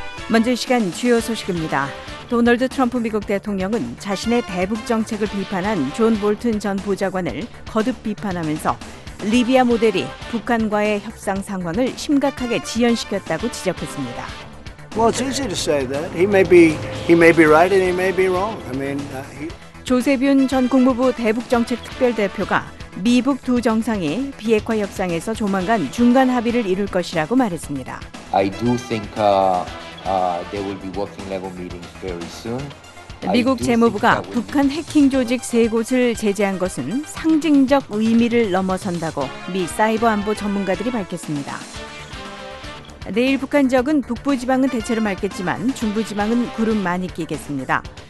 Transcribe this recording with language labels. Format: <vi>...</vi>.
<ko>먼저 이 시간 주요 소식입니다. 도널드 트럼프 미국 대통령은 자신의 대북 정책을 비판한 존 볼튼 전 보좌관을 거듭 비판하면서 리비아 모델이 북한과의 협상 상황을 심각하게 지연시켰다고 지적했습니다.</ko> <en>Well, it's easy to say that. He may be right and he may be wrong.</en> <ko>Joseph Yun 전 국무부 대북정책특별대표가 미북 두 정상이 비핵화 협상에서 조만간 중간 합의를 이룰 것이라고 말했습니다.</ko> <en>I do think there will be working level meetings very soon.</en> <ko>미국 재무부가 북한 해킹 조직 세 곳을 제재한 것은 상징적 의미를 넘어선다고 미 사이버 안보 전문가들이 밝혔습니다. 내일 북한 지역은 북부지방은 대체로 맑겠지만 중부지방은 구름 많이 끼겠습니다.</ko>